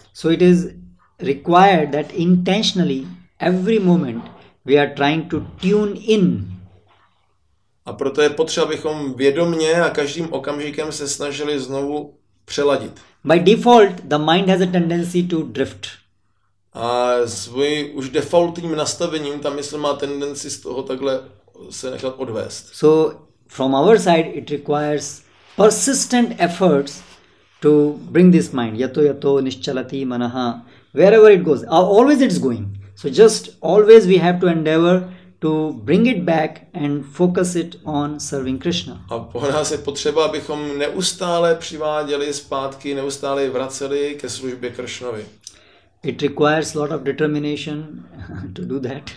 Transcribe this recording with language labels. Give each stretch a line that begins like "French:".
English: So it is required that intentionally every moment we are trying to tune in
Czech: A proto je potřeba, abychom vědomně a každým okamžikem se snažili znovu přeladit.
English: By default, the mind has a tendency to drift.
Czech: A svůj už defaultním nastavením ta mysl má tendenci z toho takhle se nechat odvést.
English: So from our side it requires persistent efforts to bring this mind
Sanskrit: yato yato nischalati manaha
English: wherever it goes, always it's going. So just always we have to endeavor to bring it back and focus it on serving Krishna.
Czech: A po nás je potřeba, abychom neustále přiváděli zpátky, neustále vraceli ke službě Kršnovi.
English: It requires a lot of determination to do that.